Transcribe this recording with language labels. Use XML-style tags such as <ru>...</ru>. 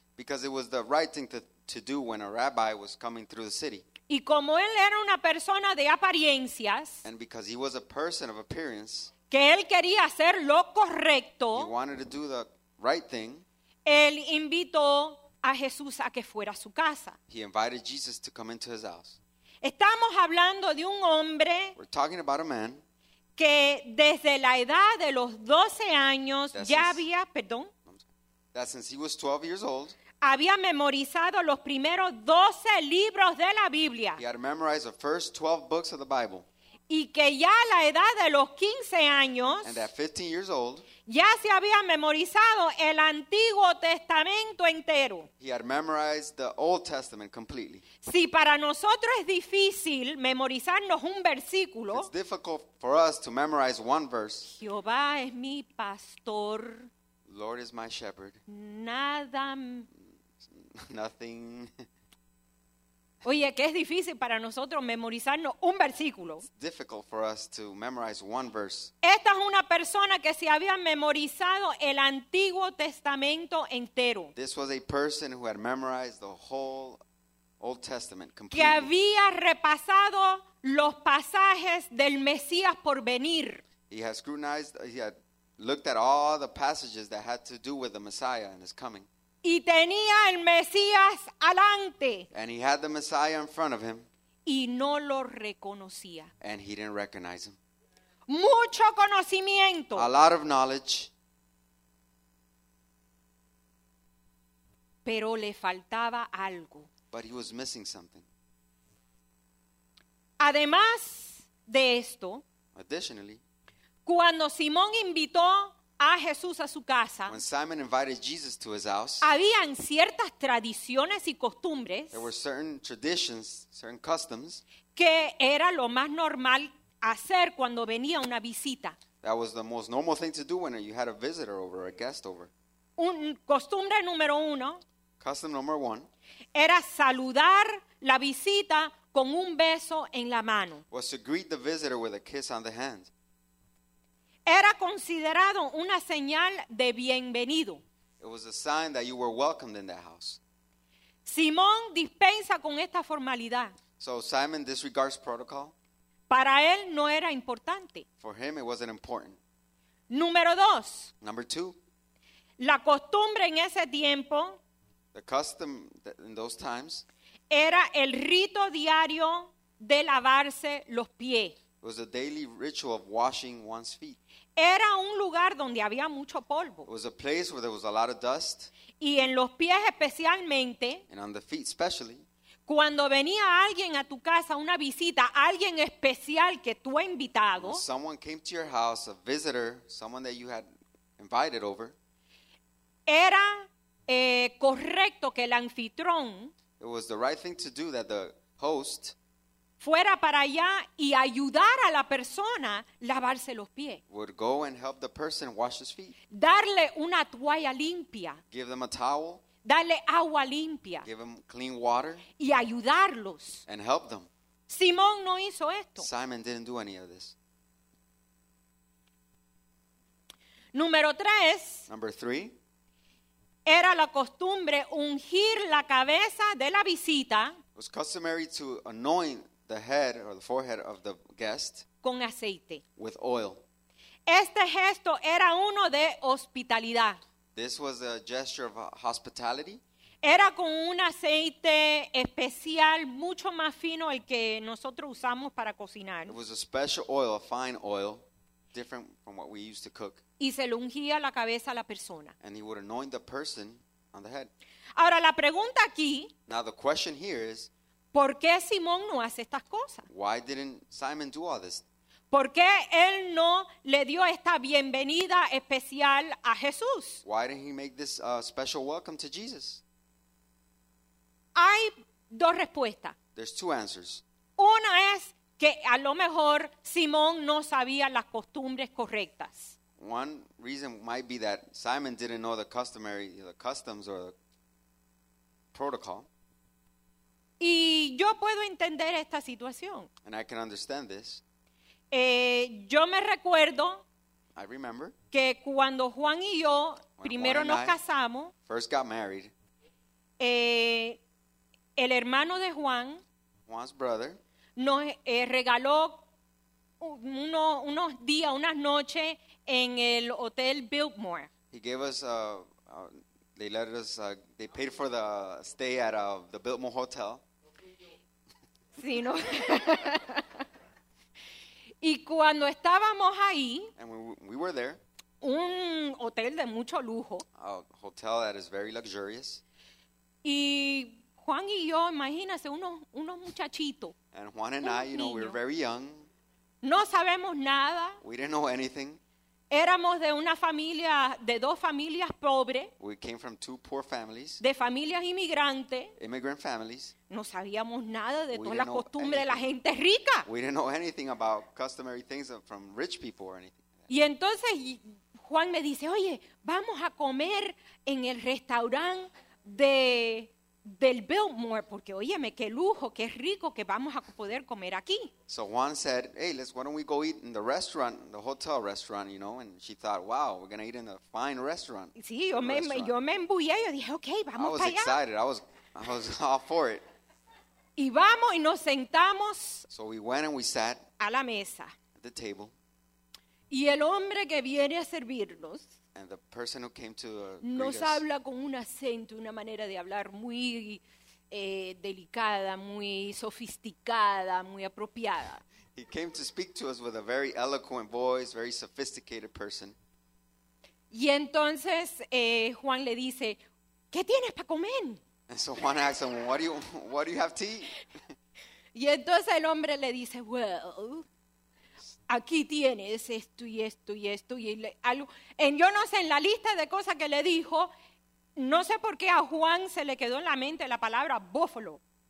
<en>Because it was the right thing to do when a rabbi was coming through the city.</en> <es>Y como él era una persona de apariencias.</es> <en>And because he was a person of appearance.</en> <es>Que él quería hacer lo correcto.</es> <en>He wanted to do the right thing.</en> <es>Él invitó a Jesús a que fuera a su casa.</es> <en>He invited Jesus to come into his house.</en> <es>Estamos hablando de un hombre.</es> <en>We're talking about a man.</en> <es>Que desde la edad de los 12 años ya había, perdón.</es> <en>That since he was 12 years old.</en> <es>Había memorizado los primeros 12 libros de la Biblia.</es> <en>He had memorized the first 12 books of the Bible.</en> <es>Y que ya a la edad de los 15 años,</es> <en>and at 15 years old,</en> <es>ya se había memorizado el Antiguo Testamento entero.</es> <en>He had memorized the Old Testament completely.</en> <es>Si para nosotros es difícil memorizarnos un versículo,</es> <en>it's difficult for us to memorize one verse.</en> <es>Jehová es mi pastor.</es> <en>Lord is my shepherd.</en> <es>Nada.</es> <en>Nothing.</en> <es>Oye, que es difícil para nosotros memorizarnos un versículo.</es> <en>It's difficult for us to memorize one verse.</en> <es>Esta es una persona que se había memorizado el Antiguo Testamento entero.</es> <en>This was a person who had memorized the whole Old Testament completely.</en> <es>Que había repasado los pasajes del Mesías por venir.</es> <en>He had looked at all the passages that had to do with the Messiah and his coming.</en> <es>Y tenía el Mesías adelante.</es> <en>And he had the Messiah in front of him.</en> <es>Y no lo reconocía.</es> <en>And he didn't recognize him.</en> <es>Mucho conocimiento.</es> <en>A lot of knowledge.</en> <es>Pero le faltaba algo.</es> <en>But he was missing something.</en> <es>Además de esto.</es> <en>Additionally.</en> <es>Cuando Simón invitó a Jesús a su casa.</es> <en>When Simon invited Jesus to his house,</en> <es>habían ciertas tradiciones y costumbres.</es> <en>There were certain traditions, certain customs.</en> <es>Que era lo más normal hacer cuando venía una visita.</es> <en>That was the most normal thing to do when you had a visitor over or a guest over.</en> <es>Costumbre número uno.</es> <en>Custom number one.</en> <es>Era saludar la visita con un beso en la mano.</es> <en>Was to greet the visitor with a kiss on the hand.</en> <es>Era considerado una señal de bienvenido.</es> <en>It was a sign that you were welcomed in that house.</en> <es>Simón dispensa con esta formalidad.</es> <en>So Simon disregards protocol.</en> <es>Para él no era importante.</es> <en>For him it wasn't important.</en> <es>Número dos.</es> <en>Number two.</en> <es>La costumbre en ese tiempo.</es> <en>The custom in those times.</en> <es>Era el rito diario de lavarse los pies.</es> <en>It was a daily ritual of washing one's feet.</en> <es>Era un lugar donde había mucho polvo.</es> <en>It was a place where there was a lot of dust.</en> <es>Y en los pies especialmente.</es> <en>And on the feet especially.</en> <es>Cuando venía alguien a tu casa, una visita, alguien especial que tú has invitado.</es> <en>When someone came to your house, a visitor, someone that you had invited over.</en> <es>Era correcto que el anfitrión.</es> <en>It was the right thing to do that the host.</en> <es>Fuera para allá y ayudar a la persona a lavarse los pies.</es> <en>Would go and help the person wash his feet.</en> <es>Darle una toalla limpia.</es> <en>Give them a towel.</en> <es>Darle agua limpia.</es> <en>Give them clean water.</en> <es>Y ayudarlos.</es> <en>And help them.</en> <es>Simón no hizo esto.</es> <en>Simon didn't do any of this.</en> <es>Número tres.</es> <en>Number three.</en> <es>Era la costumbre ungir la cabeza de la visita.</es> <en>It was customary to anoint the head or the forehead of the guest.</en> <es>Con aceite.</es> <en>With oil.</en> <es>Este gesto era uno de hospitalidad.</es> <en>This was a gesture of hospitality.</en> <es>Era con un aceite especial, mucho más fino el que nosotros usamos para cocinar.</es> <en>It was a special oil, a fine oil, different from what we used to cook.</en> <es>Y se le ungía la cabeza a la persona.</es> <en>And he would anoint the person on the head.</en> <es>Ahora la pregunta aquí.</es> <en>Now the question here is.</en> <es>¿Por qué Simón no hace estas cosas?</es> <en>Why didn't Simon do all this?</en> <es>¿Por qué él no le dio esta bienvenida especial a Jesús?</es> <en>Why didn't he make this special welcome to Jesus?</en> <es>Hay dos respuestas.</es> <en>There's two answers.</en> <es>Una es que a lo mejor Simón no sabía las costumbres correctas.</es> <en>One reason might be that Simon didn't know the customary, the customs or the protocol.</en> <es>Y yo puedo entender esta situación.</es> <en>And I can understand this.</en> <es>Yo me recuerdo.</es> <en>I remember.</en> <es>Que cuando Juan y yo primero nos casamos.</es> <en>First got married.</en> <es>El hermano de Juan.</es> <en>Juan's brother.</en> <es>Nos regaló unos días, unas noches en el Hotel Biltmore.</es> <en>He gave us they paid for the stay at the Biltmore Hotel.</en> <es>Sí, ¿no? Y cuando estábamos ahí,</es> <en>we were there,</en> <es>un hotel de mucho lujo,</es> <en>a hotel that is very luxurious,</en> <es>y Juan y yo, imagínense, unos muchachitos,</es> <en>and Juan and I, you know, we were very young,</en> <es>no sabemos nada,</es> <en>we didn't know anything,</en> <es>éramos de una familia, de dos familias pobres.</es> <en>We came from two poor families.</en> <es>De familias inmigrantes.</es> <en>Immigrant families.</en> <es>No sabíamos nada de todas las costumbres de la gente rica.</es> <en>We didn't know anything about customary things from rich people or anything.</en> <es>Y entonces Juan me dice, oye, vamos a comer en el restaurante del Biltmore, porque óyeme, qué lujo, qué rico que vamos a poder comer aquí.</es> <en>So Juan said, hey, why don't we go eat in the restaurant, the hotel restaurant, you know? And she thought, wow, we're going to eat in a fine restaurant.</en> <es>Sí, yo me embullé, yo dije, okay, vamos para allá.</es> <en>I was excited, I was all for it.</en> <es>Y vamos y nos sentamos.</es> <en>So we went and we sat.</en> <es>A la mesa.</es> <en>At the table.</en> <es>Y el hombre que viene a servirnos.</es> <en>And the person who came to</en> <es>nos habla con un acento, una manera de hablar muy delicada, muy sofisticada, muy apropiada.</es> <en>He came to speak to us with a very eloquent voice, very sophisticated person.</en> <es>Y entonces Juan le dice, ¿qué tienes para comer?</es> <en>And so Juan asks him, what do you have to eat?</en> <es>Y entonces el hombre le dice, well, aquí tienes esto y esto y esto y algo. En yo no sé, en la lista de cosas que le dijo, no sé por qué a Juan se le quedó en la mente la palabra búfalo.</es>